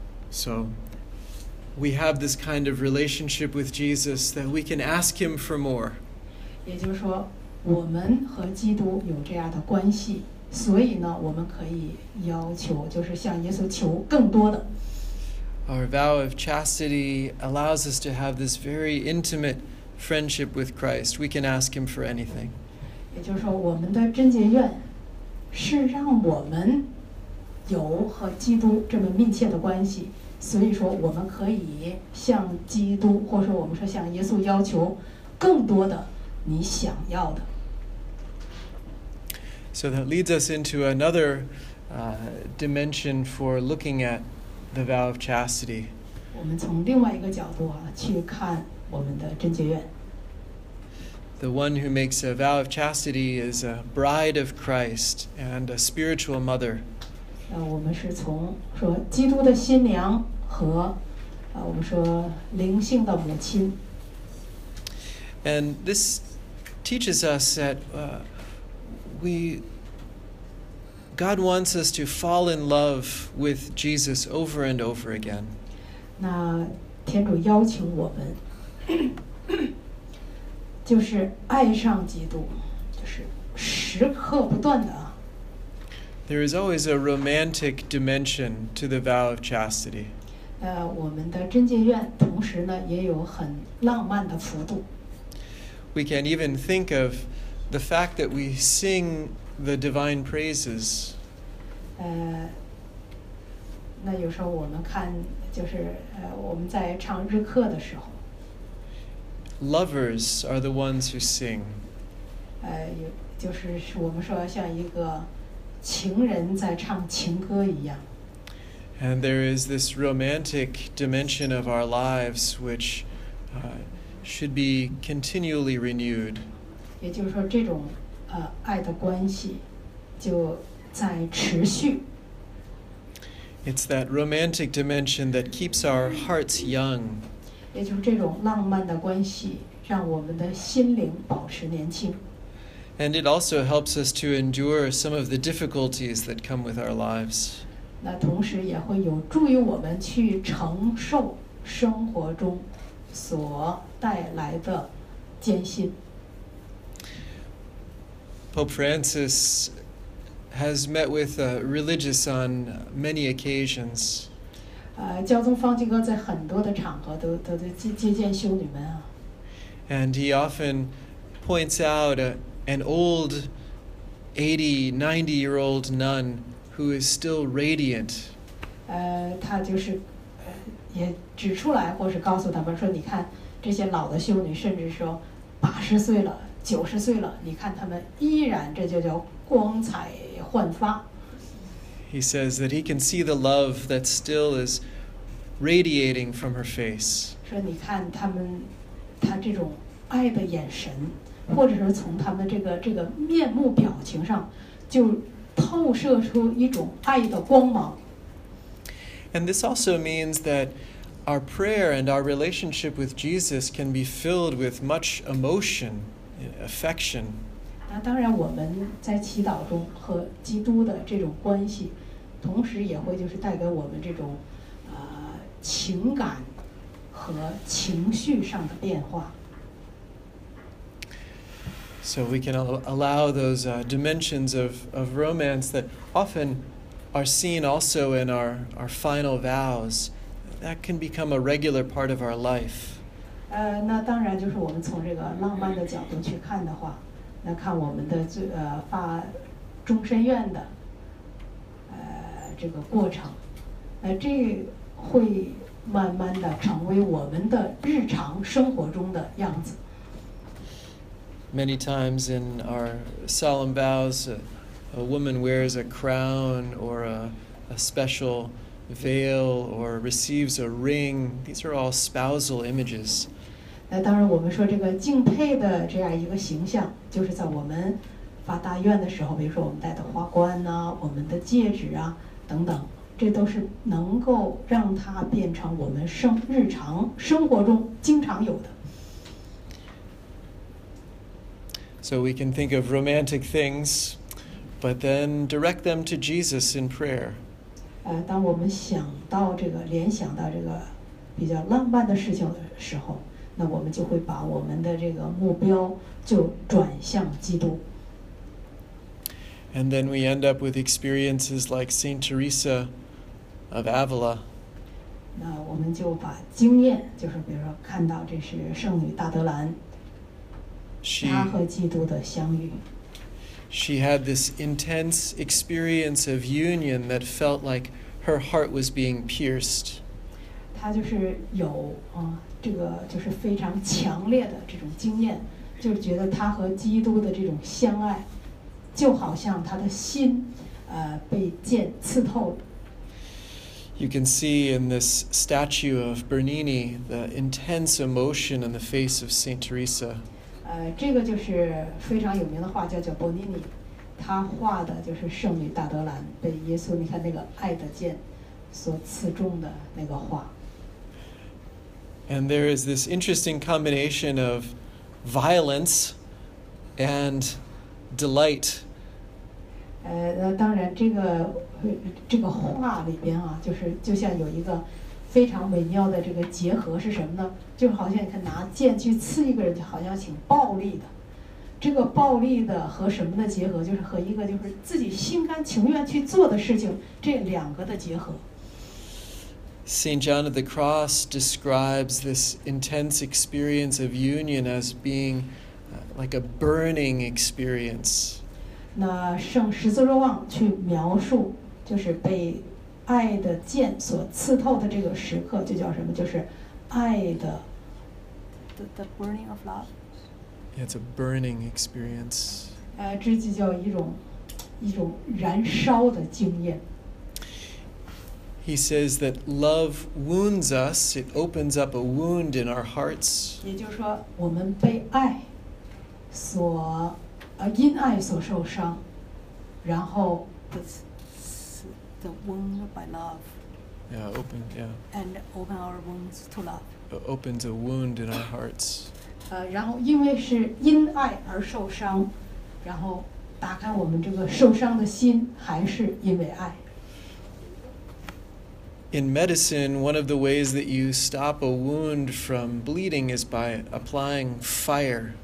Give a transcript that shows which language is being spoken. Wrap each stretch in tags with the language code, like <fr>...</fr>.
<en>So we have this kind of relationship with Jesus that we can ask him for more.</en> <zh>也就是说 我们和基督有这样的关系，所以呢，我们可以要求，就是向耶稣求更多的。</zh> <en>Our vow of chastity allows us to have this very intimate friendship with Christ. We can ask him for anything.</en> <zh>也就是说，我们的贞洁愿是让我们有和基督这么密切的关系，所以说我们可以向基督，或者说我们说向耶稣要求更多的你想要的。</zh> <en>So that leads us into another dimension for looking at the vow of chastity.</en> <zh>我们从另外一个角度啊，去看我们的贞洁院。</zh> <en>The one who makes a vow of chastity is a bride of Christ and a spiritual mother.</en> <zh>我们是从说基督的新娘和我们说灵性的母亲。</zh> <en>And this teaches us that God wants us to fall in love with Jesus over and over again.</en> <zh>那天主邀请我们，就是爱上基督，就是时刻不断的。</zh> <en>There is always a romantic dimension to the vow of chastity.</en> <zh>我们的贞洁愿同时呢也有很浪漫的幅度。</zh> <en>We can even think of the fact that we sing the divine praises.</en> <zh>那有时候我们看就是我们在唱日课的时候。</zh> <en>Lovers are the ones who sing.</en> <zh>就是我们说像一个情人在唱情歌一样。</zh> <en>And there is this romantic dimension of our lives which should be continually renewed.</en> <zh>也就是说这种爱的关系就在持续。</zh> <en>It's that romantic dimension that keeps our hearts young.</en> <zh>也就是这种浪漫的关系让我们的心灵保持年轻。</zh> <en>And it also helps us to endure some of the difficulties that come with our lives.</en> <zh>那同时也会有助于我们去承受生活中所带来的艰辛。</zh> <en>Pope Francis has met with religious on many occasions.</en> <zh>教宗方济各在很多的场合都接见修女们啊。</zh> <en>And he often points out an old 80, 90-year-old nun who is still radiant.</en> <zh>他就是也指出来或是告诉他们说你看这些老的修女甚至说80岁了90岁了你看他们依然这就叫光彩焕发。</zh> <en>He says that he can see the love that still is radiating from her face.</en> <zh>说你看他们他这种爱的眼神或者是从他们这个面目表情上就透射出一种爱的光芒。</zh> <en>And this also means that our prayer and our relationship with Jesus can be filled with much emotion, affection.</en> <zh>那当然我们在祈祷中和基督的这种关系同时也会就是带给我们这种情感和情绪上的变化。</zh> <en>So we can allow those dimensions of romance that often are seen also in our final vows, that can become a regular part of our life.</en> <zh>那当然就是我们从这个浪漫的角度去看的话，那看我们的发终身愿的这个过程，那这会慢慢的成为我们的日常生活中的样子。</zh> <en>Many times in our solemn vows, a woman wears a crown or a special veil or receives a ring. These are all spousal images.</en> <zh>那当然，我们说这个敬佩的这样一个形象，就是在我们发大愿的时候，比如说我们戴的花冠呐、我们的戒指啊等等，这都是能够让它变成我们日常生活中经常有的。</zh> <en>So we can think of romantic things, but then direct them to Jesus in prayer.</en> <zh>当我们想到这个，联想到这个比较浪漫的事情的时候，那我们就会把我们的这个目标就转向基督。</zh> <en>And then we end up with experiences like Saint Teresa of Avila.</en> <zh>那我们就把经验，就是比如说看到这是圣女大德兰。</zh> <en>She had this intense experience of union that felt like her heart was being pierced.</en> <zh>她就是有这个就是非常强烈的这种经验，就是觉得她和基督的这种相爱，就好像她的心被剑刺透。</zh> <en>You can see in this statue of Bernini the intense emotion in the face of Saint Teresa.</en> <zh>这个就是非常有名的画家叫伯尼尼，他画的就是圣女大德兰被耶稣，你看那个爱的剑所刺中的那个画。</zh> <en>And there is this interesting combination of violence and delight.</en> <zh>当然这个画里边啊，就是就像有一个非常美妙的这个结合是什么呢？就好像你看拿剑去刺一个人，就好像挺暴力的。这个暴力的和什么的结合，就是和一个就是自己心甘情愿去做的事情，这两个的结合。</zh> <en>Saint John of the Cross describes this intense experience of union as being like a burning experience.</en> <zh>那圣十字若望去描述，就是被爱的剑所刺透的这个时刻，就叫什么？就是爱的</zh> <en>the burning of love. Yeah, it's a burning experience.</en> <zh>这就叫一种燃烧的经验。</zh> <en>He says that love wounds us, it opens up a wound in our hearts.</en> <zh>也就是说我们被爱所因爱所受伤，然后</zh> <en>the wound by love. Yeah, open, yeah. And open our wounds to love. It opens a wound in our hearts.</en> <zh>然后因为是因爱而受伤，然后打开我们这个受伤的心，还是因为爱。</zh> <en>In medicine, one of the ways that you stop a wound from bleeding is by applying fire.</en>